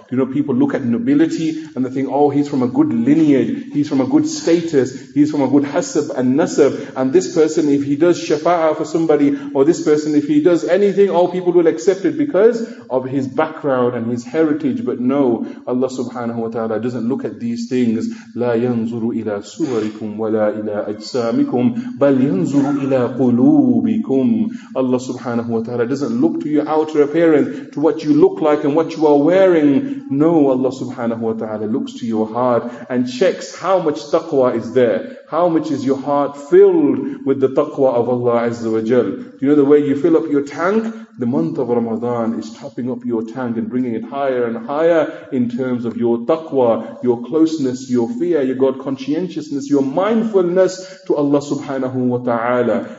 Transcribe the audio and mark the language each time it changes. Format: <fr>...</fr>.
<en>You know, people look at nobility and they think, oh, he's from a good lineage, he's from a good status, he's from a good hasab and nasab, and this person, if he does shafa'ah for somebody, or this person, if he does anything, all people will accept it because of his background and his heritage. But no, Allah subhanahu wa ta'ala doesn't look at these things.</en> <ar>لا ينظر إلى صوركم ولا إلى أجسامكم بل ينظر إلى قلوبكم.</ar> <en>Allah subhanahu wa ta'ala doesn't look to your outer appearance, to what you look like and what you are wearing. No, Allah subhanahu wa ta'ala looks to your heart and checks how much taqwa is there. How much is your heart filled with the taqwa of Allah Azza wa Jal? Do you know the way you fill up your tank? The month of Ramadan is topping up your tank and bringing it higher and higher in terms of your taqwa, your closeness, your fear, your God conscientiousness, your mindfulness to Allah subhanahu wa ta'ala.</en>